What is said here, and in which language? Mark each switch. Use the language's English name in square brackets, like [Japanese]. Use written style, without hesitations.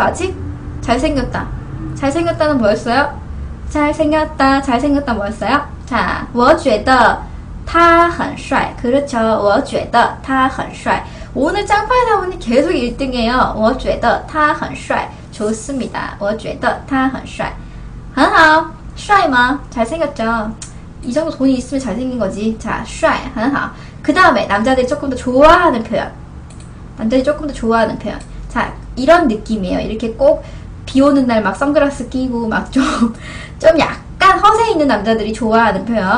[Korean] 아직? 잘생겼다. 잘생겼다는 뭐였어요? 잘생겼다. 잘생겼다 뭐였어요? [Chinese] 자, 我觉得他很帅. [Korean] 그렇죠. [Chinese] 我觉得他很帅. [Korean] 오늘 짱파이 사모님 계속 1등이에요. [Chinese] 我觉得他很帅. [Korean] 좋습니다. [Chinese] 我觉得他很帅很好帅吗? [Korean] 잘생겼죠? 이 정도 돈이 있으면 잘생긴 거지. [Chinese] 자, 帅很好. [Korean] 그 다음에 남자들이 조금 더 좋아하는 표현. 남자들이 조금 더 좋아하는 표현. 자, 이런 느낌이에요. 이렇게 꼭 비 오는 날 막 선글라스 끼고 막 좀 약간 허세 있는 남자들이 좋아하는 표현.